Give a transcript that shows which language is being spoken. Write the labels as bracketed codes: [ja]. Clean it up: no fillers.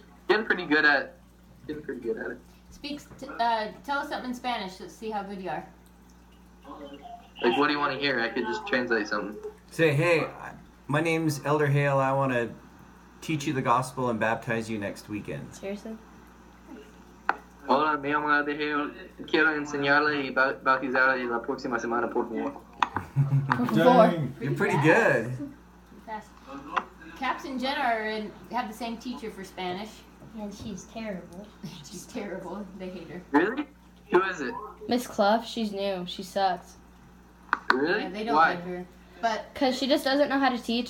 [en] getting pretty good at it. Tell us something in Spanish. Let's see how good you are. Like, what do you want to hear? I could just translate something. Say, hey, my name's Elder Hale. I want to teach you the gospel and baptize you next weekend. Seriously? [es] Hola, me llamo Elder Hale. Quiero enseñarle y bautizarle la próxima semana, por favor. [en] You're pretty good. Caps and Jenna have the same teacher for Spanish. And she's terrible. She's terrible. They hate her. Really? Who is it? Miss Clough. She's new. She sucks. Really? Yeah, they don't Why? Like her. But because she just doesn't know how to teach.